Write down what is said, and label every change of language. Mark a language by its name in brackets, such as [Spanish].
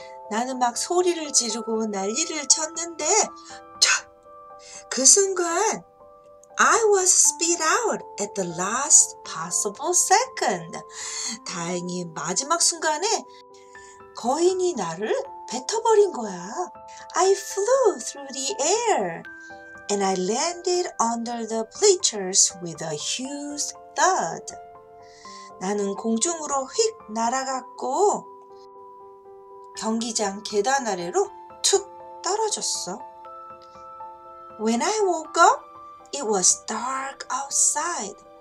[Korean] 나는 막 소리를 지르고 난리를 쳤는데 그 순간 [English] I was spit out at the last possible second. [Korean] 다행히 마지막 순간에 거인이 나를 뱉어버린 거야. [English] I flew through the air and I landed under the bleachers with a huge thud. [Korean] 나는 공중으로 휙 날아갔고 경기장 계단 아래로 툭 떨어졌어. [English] When I woke up, it was dark outside.